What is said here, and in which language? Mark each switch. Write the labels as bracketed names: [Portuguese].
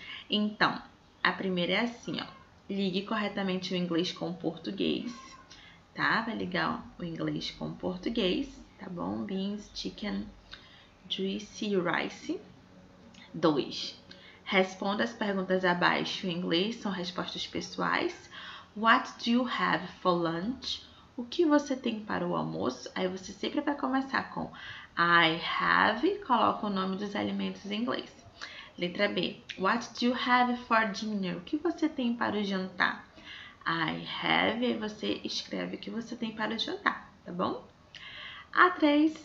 [Portuguese] Então, a primeira é assim, ó. Ligue corretamente o inglês com o português, tá? Vai ligar, ó, o inglês com o português, tá bom? [English] Beans, chicken, juicy rice. 2. [Portuguese] Responda as perguntas abaixo em inglês, são respostas pessoais. [English] What do you have for lunch? [Portuguese] O que você tem para o almoço? Aí você sempre vai começar com [English] I have, [Portuguese] coloca o nome dos alimentos em inglês. Letra B. [English] What do you have for dinner? [Portuguese] O que você tem para o jantar? [English] I have. [Portuguese] E você escreve o que você tem para o jantar, tá bom? A3.